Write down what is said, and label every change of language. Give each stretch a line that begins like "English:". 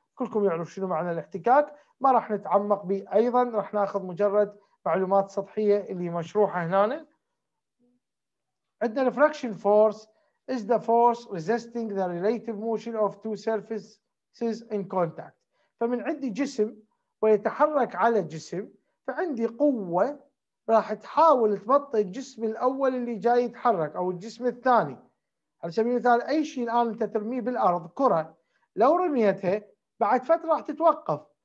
Arabic: كلكم يعرف شنو معنى الاحتكاك، ما راح نتعمق به أيضا، راح ناخذ مجرد معلومات سطحية اللي مشروحة هنا. عندنا الفراكشن فورس
English: is the force resisting the relative motion of two surfaces in contact.
Arabic: فمن عندي جسم ويتحرك على جسم، فعندي قوة راح تحاول تبطئ الجسم الأول اللي جاي يتحرك أو الجسم الثاني. على سبيل المثال أي شيء الآن أنت ترميه بالأرض، كرة لو رميتها بعد فترة راح تتوقف.